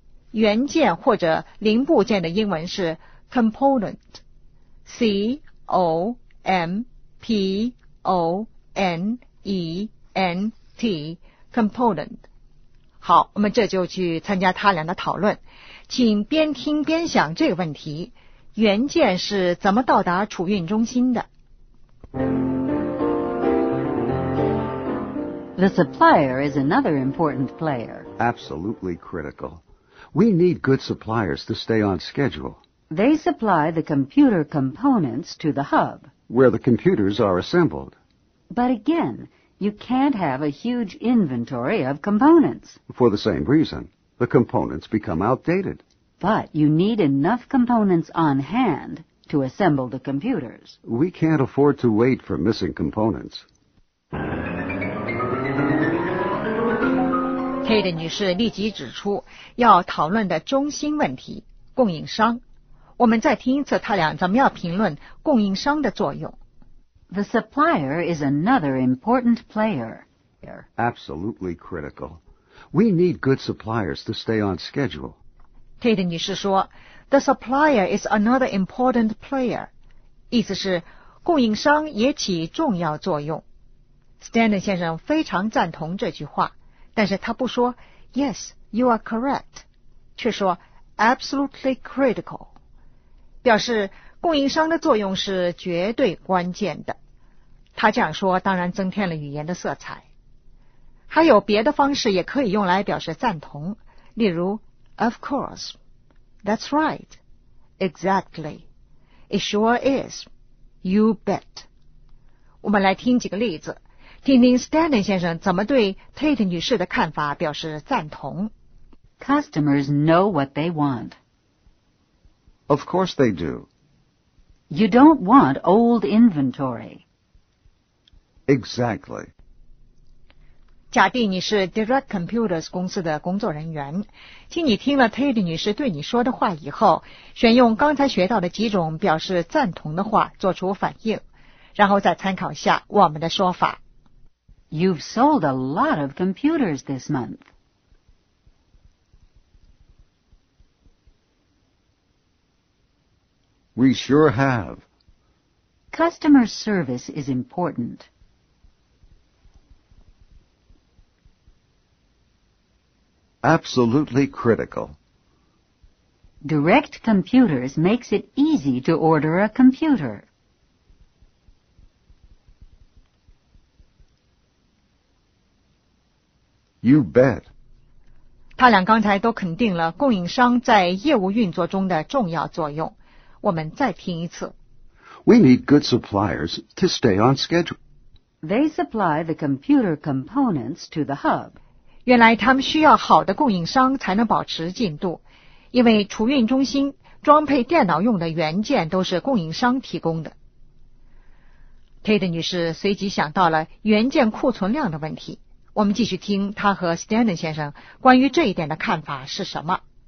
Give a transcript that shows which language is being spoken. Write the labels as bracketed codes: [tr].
[zh] 元件或者零部件的英文是 component， C-O-M-P-O-N-E-N-T， component。好，我们这就去参加他俩的讨论，请边听边想这个问题，元件是怎么到达储运中心的。 [en] The supplier is another important player. Absolutely critical. We need good suppliers to stay on schedule. They supply the computer components to the hub, where the computers are assembled. But again, you can't have a huge inventory of components. For the same reason, the components become outdated. But you need enough components on hand to assemble the computers. We can't afford to wait for missing components. [zh] Tate 女士立即指出要讨论的中心问题，供应商。我们再听一次他俩怎么样评论供应商的作用。 [en] The supplier is another important player. Absolutely critical. We need good suppliers to stay on schedule. Tate [zh] 女士说 [en] ,The supplier is another important player. [zh] 意思是供应商也起重要作用。 Stanton 先生非常赞同这句话。但是他不说 [en] Yes, you are correct, [zh] 却说 [en] Absolutely critical, [zh] 表示供应商的作用是绝对关键的。他这样说当然增添了语言的色彩。还有别的方式也可以用来表示赞同，例如 [en] Of course, That's right, Exactly, It sure is, You bet. [zh] 我们来听几个例子，听听 Stanton 先生怎么对 Tate 女士的看法表示赞同。 [en] Customers know what they want. Of course they do. You don't want old inventory. Exactly. [zh] 假定你是 Direct Computers 公司的工作人员，请你听了 Tate 女士对你说的话以后，选用刚才学到的几种表示赞同的话做出反应，然后再参考下我们的说法。 [en] You've sold a lot of computers this month. We sure have. Customer service is important. Absolutely critical. Direct Computers makes it easy to order a computer. You bet. [zh] 他俩刚才都肯定了供应商在业务运作中的重要作用。我们再听一次。 [en] We need good suppliers to stay on schedule. They supply the computer components to the hub. [zh] 原来他们需要好的供应商才能保持进度，因为储运中心装配电脑用的元件都是供应商提供的。 Tate 女士随即想到了元件库存量的问题。我们继续听他和 Stanton 先生关于这一点的看法是什么。